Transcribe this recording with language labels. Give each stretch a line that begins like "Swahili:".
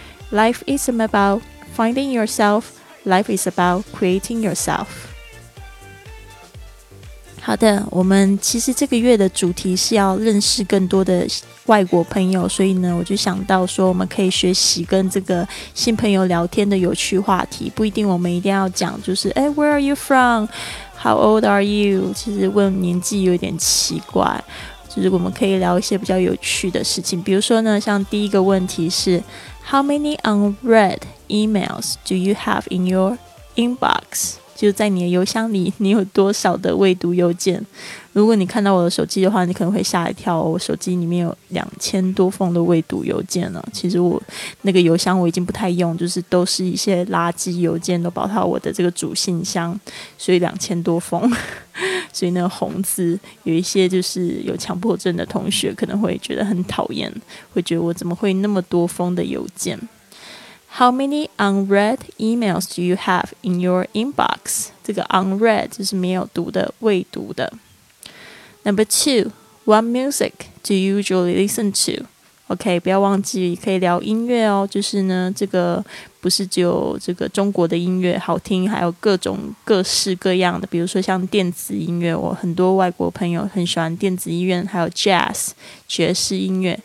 English: Life isn't about finding yourself, Life is about creating yourself.
Chinese: 好的，我们其实这个月的主题是要认识更多的外国朋友，所以呢，我就想到说我们可以学习跟这个新朋友聊天的有趣话题。不一定我们一定要讲就是哎
English: Where are you from? How old are you?
Chinese: 其实问年纪有点奇怪，就是我们可以聊一些比较有趣的事情。比如说呢，像第一个问题是
English: How many unread emails do you have in your inbox?
Chinese: 就在你的邮箱里你有多少的未读邮件。如果你看到我的手机的话，你可能会吓一跳、哦、我手机里面有2000多封的未读邮件了。其实我那个邮箱我已经不太用，就是都是一些垃圾邮件，都跑到我的这个主信箱，所以2000多封。所以那个红字有一些就是有强迫症的同学可能会觉得很讨厌，会觉得我怎么会那么多封的邮件。
English: How many unread emails do you have in your inbox?
Chinese: 这个 unread 就是没有读的，未读的。
English: Number two, what music do you usually listen to?
Chinese: OK, 不要忘记可以聊音乐哦，就是呢这个不是只有这个中国的音乐好听，还有各种各式各样的，比如说像电子音乐，我很多外国朋友很喜欢电子音乐，还有 jazz 爵士音乐。